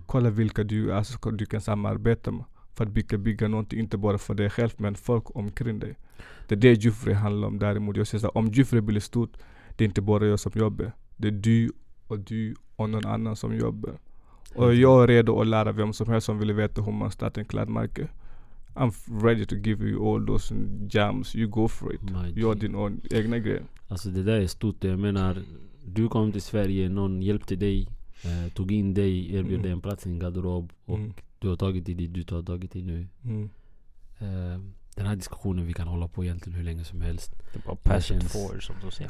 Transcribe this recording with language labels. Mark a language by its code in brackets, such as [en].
[sv] Kolla vilka du kan samarbeta med för att bygga någonting, inte bara för dig själv, men folk omkring dig. Det är det Jufri handlar om. Däremot, jag säger så här, om Jufri blir stort, det är inte bara jag som jobbar. Det är du och någon annan som jobbar. Och jag är redo att lära vem som helst som vill veta hur man startar en klädmärke. [en] I'm ready to give you all those jams. You go for it. [sv] Gör din own egna grej. Alltså det där är stort. Jag menar, du kom till Sverige, någon hjälpte dig, tog in dig, erbjöd dig en plats i en garderob och du har tagit dig dit du har tagit dig nu. Den här diskussionen vi kan hålla på egentligen hur länge som helst. Det är bara [en] passion for, [sv] som du säger.